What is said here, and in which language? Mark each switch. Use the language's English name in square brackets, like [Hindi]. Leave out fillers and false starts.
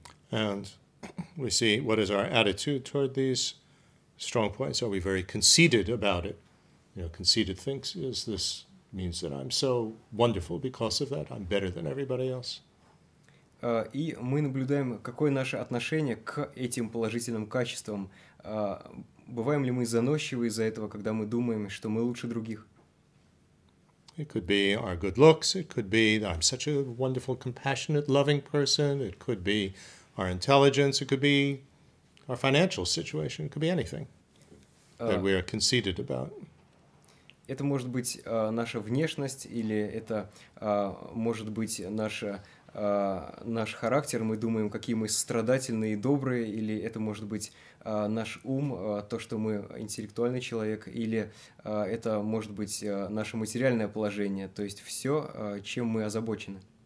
[English] And we see what is our attitude toward these strong points. Are we very conceited about it? You know, conceited thinks is this means that I'm so wonderful because of that. I'm better than everybody else. [Russian] И мы наблюдаем, какое наше отношение к этим положительным качествам. Бываем ли мы заносчивы из-за этого, когда мы думаем, что мы лучше других? [English] It could be our good looks. It could be that I'm such a wonderful, compassionate, loving person. It could be our intelligence, it could be our financial situation, it could be anything that we are conceited about. [Russian] Это может быть наша внешность, или это может быть наш характер. Мы думаем, какие мы сострадательные и добрые, или это может быть наш ум, то, что мы интеллектуальный человек, или это может быть наше материальное положение, то есть все, чем мы озабочены.